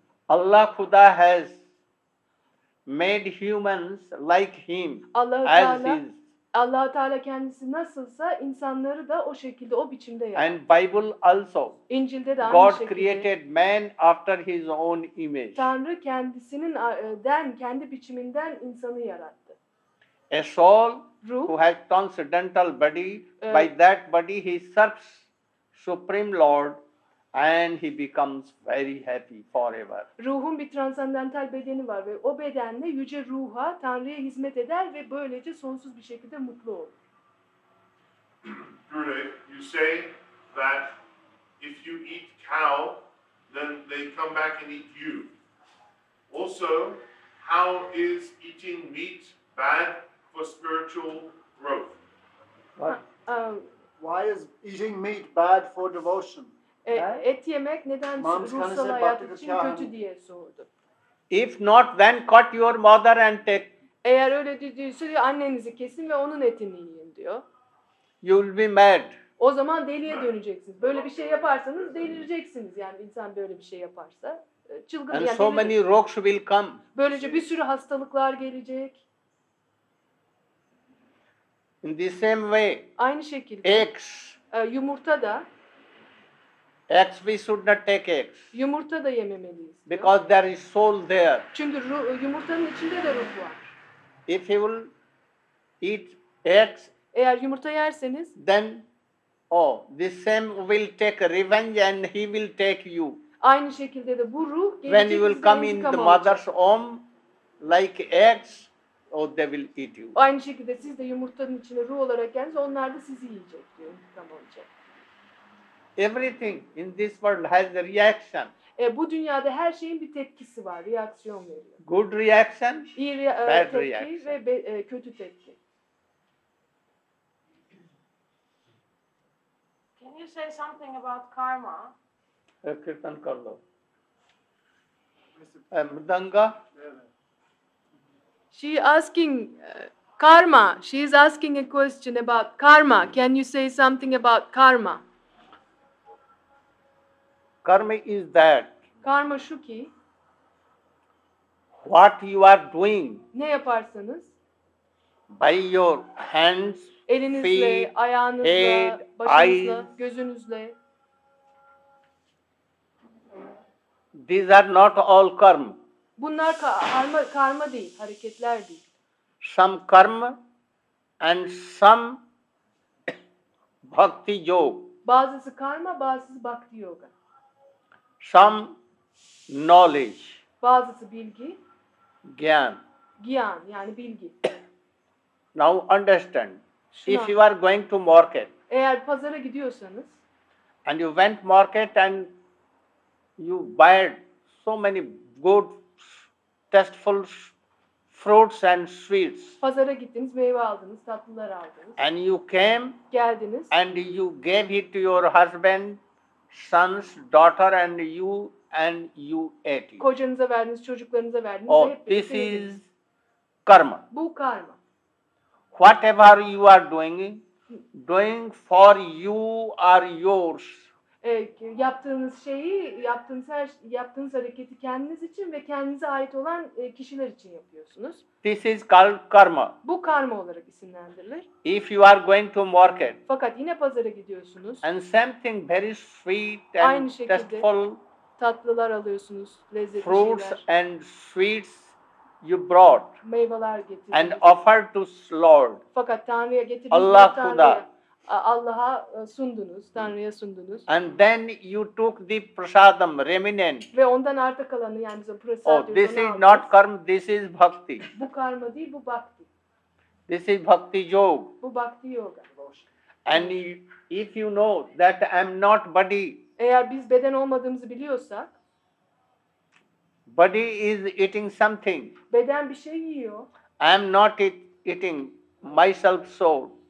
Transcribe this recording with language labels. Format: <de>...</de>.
<en>Allah Khuda has made humans like him.</en> <tr>Allah Teala kendisi nasılsa insanları da o şekilde, o biçimde yaptı.</tr> <en>And Bible also.</en> <tr>İncil'de de aynı</tr> <en>God</en> <tr>şekilde.</tr> <en>God created man after his own image.</en> <tr>Tanrı kendisinin kendi biçiminden insanı yarattı.</tr> <en>A soul.</en> <tr>Ruh,</tr> <en>who has transcendental body, by that body he serves Supreme Lord and he becomes very happy forever.</en> <tr>Ruhun bir transandantal bedeni var ve o bedenle yüce ruha, Tanrı'ya hizmet eder ve böylece sonsuz bir şekilde mutlu olur.</tr> <en>Guru, you say that if you eat cow, then they come back and eat you. Also, how is eating meat bad for spiritual growth? Why is eating meat bad for devotion?</en> <tr>Et yemek neden ruhsal hayat için kötü diye sordu.</tr> <en>If not, then cut your mother and take.</en> <tr>Eğer öyle dediyse diyor, annenizi kesin ve onun etini yiyin diyor.</tr> <en>You'll be mad.</en> <tr>O zaman deliye döneceksiniz. Böyle bir şey yaparsanız delireceksiniz. Yani insan böyle bir şey yaparsa çılgın.</tr> <en>And</en> <tr>yani</tr> <en>so many rocks will come.</en> <tr>Böylece bir sürü hastalıklar gelecek.</tr> <en>In the same way.</en> <tr>Aynı şekilde.</tr> <en>Eggs.</en> <tr>Yumurta da.</tr> <en>Eggs, we should not take eggs.</en> <tr>Yumurta da yememeliyiz.</tr> <en>Because no? There is soul there.</en> <tr>Çünkü yumurtanın içinde de ruh var.</tr> <en>If you will eat eggs.</en> <tr>Eğer yumurta yerseniz.</tr> <en>Then, oh, the same will take revenge and he will take you.</en> <tr>Aynı şekilde de bu ruh.</tr> <en>When you will come in the mother's womb, like eggs, oh, they will eat you.</en> <tr>Aynı şekilde siz de yumurtanın içine ruh olarak geldiniz, onlar da sizi yiyecek diyor, intikam olacak.</tr> <en>Everything in this world has a reaction.</en> <tr>Bu dünyada her şeyin bir tepkisi var, reaksiyon veriyor.</tr> <en>Good reaction,</en> <tr>İyi</tr> <en>bad</en> <tr>tepki</tr> <en>reaction.</en> <tr>Ve kötü tepki.</tr> <en>Can you say something about karma?</en> <hi>Kirtan Karlo. Mudanga?</hi> <en>She asking karma. She is asking a question about karma. Can you say something about karma? Karma is that.</en> <tr>Karma şu ki.</tr> <en>What you are doing.</en> <tr>Ne yaparsanız.</tr> <en>By your hands,</en> <tr>elinizle,</tr> <en>feet,</en> <tr>ayağınızla,</tr> <en>head,</en> <tr>başınızla,</tr> <en>eyes,</en> <tr>gözünüzle.</tr> <en>These are not all karma.</en> <tr>Bunlar karma değil, hareketler değil.</tr> <en>Some karma and some bhakti yoga.</en> <tr>Bazısı karma, bazısı bhakti yoga.</tr> <en>Some knowledge.</en> <tr>Bazısı bilgi.</tr> <hi>Gyan.</hi> <tr>Gyan yani bilgi.</tr> <en>Now understand.</en> <tr>Şuna.</tr> <en>If you are going to market.</en> <tr>Eğer pazara gidiyorsanız.</tr> <en>And you went market and you buy so many good, tasteful fruits and sweets.</en> <tr>Pazara gittiniz, meyve aldınız, tatlılar aldınız.</tr> <en>And you came.</en> <tr>Geldiniz.</tr> <en>And you gave it to your husband. Sons, daughter and you ate it.</en> <tr>Kocanıza verdiniz, çocuklarınıza verdiniz.</tr> <en>Oh, this is karma.</en> <tr>Bu karma.</tr> <en>Whatever you are doing for you or yours.</en> <tr>Yaptığınız şeyi, yaptığınız hareketi kendiniz için ve kendinize ait olan kişiler için yapıyorsunuz.</tr> <en>This is called karma.</en> <tr>Bu karma olarak isimlendirilir.</tr> <en>If you are going to market.</en> <tr>Fakat yine pazara gidiyorsunuz.</tr> <en>And something very sweet and tasteful.</en> <tr>Tatlılar alıyorsunuz, lezzetli şeyler.</tr> <en>Fruits and sweets you brought.</en> <tr>Meyveler getirdiniz.</tr> <en>And offered to Lord.</en> <tr>Fakat Tanrı'ya getirdiniz. Allah Kuda. Allah'a sundunuz, Tanrı'ya sundunuz.</tr> <en>And then you took the prasadam, remnant.</en> <tr>Ve ondan arta kalanı, yani bizim prasad diyoruz.</tr> <en>Oh, this is not karma, this is bhakti.</en> <tr>Bu karma değil, bu bhakti.</tr> <en>This is bhakti yoga.</en> <tr>Bu bhakti yoga.</tr> <en>And if you know that I am not body.</en> <tr>Eğer biz beden olmadığımızı biliyorsak.</tr> <en>Body is eating something.</en> <tr>Beden bir şey yiyor.</tr> <en>I am not eating myself soul.</en>